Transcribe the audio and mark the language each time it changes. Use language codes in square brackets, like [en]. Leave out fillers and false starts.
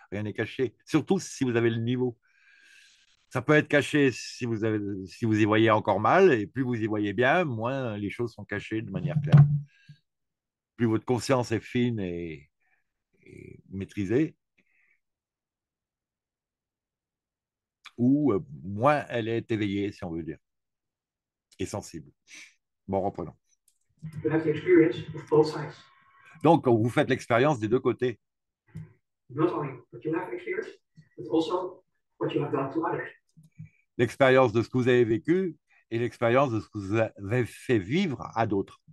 [fr] Rien n'est caché, surtout si vous avez le niveau. Ça peut être caché si vous y voyez encore mal, et plus vous y voyez bien, moins les choses sont cachées de manière claire. Plus votre conscience est fine et maîtrisée, ou moins elle est éveillée, si on veut dire. Et sensible. Bon, reprenons. [en] You have the experience of both sides. [fr] Donc, vous faites l'expérience des deux côtés. [en] Not only what you have experienced, but also what you have done to others. [fr] L'expérience de ce que vous avez vécu et l'expérience de ce que vous avez fait vivre à d'autres.